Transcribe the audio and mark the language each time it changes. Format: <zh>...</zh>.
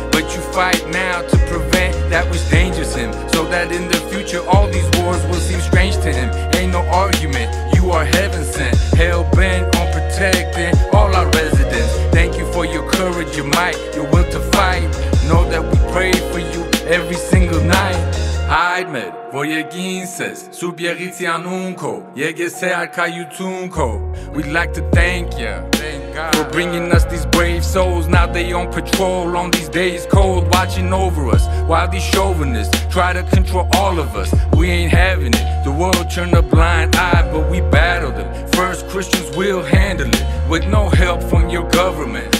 <en>But you fight now to prevent that which dangers him, so that in the future all these wars will seem strange to him. Ain't no argument, you are heaven sent, hell bent on protecting all our residents. Thank you for your courage, your might, your will to fight. Know that we pray for you every single night.</en> <hy>Այդ մեր, որ եկինս ես, սուրբ եղիցի անուն քո, եկես է արքայություն քո.</hy> <en>We'd like to thank you, thank God, for bringing us these brave souls. Now they on patrol on these days cold, watching over us while these chauvinists try to control all of us. We ain't having it, the world turned a blind eye, but we battled it. First Christians will handle it, with no help from your government.</en>